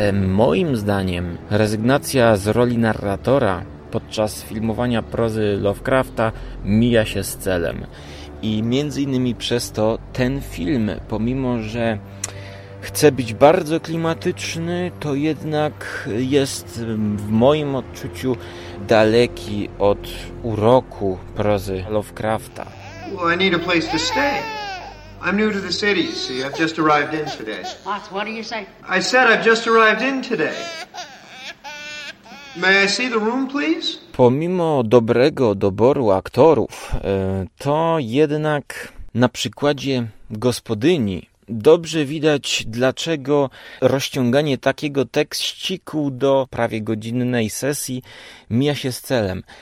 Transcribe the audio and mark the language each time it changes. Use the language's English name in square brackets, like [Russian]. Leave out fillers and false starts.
[Polish] Moim zdaniem rezygnacja z roli narratora podczas filmowania prozy Lovecrafta mija się z celem. I między innymi przez to ten film, pomimo że chce być bardzo klimatyczny, to jednak jest w moim odczuciu daleki od uroku prozy Lovecrafta. [English] Well, I need a place to stay. I'm new to the city, see, I've just arrived in today. Boss, what do you say? I said I've just arrived in today. May I see the room, please? [Polish] Pomimo dobrego doboru aktorów, to jednak na przykładzie gospodyni dobrze widać, dlaczego rozciąganie takiego tekściku do prawie godzinnej sesji mija się z celem.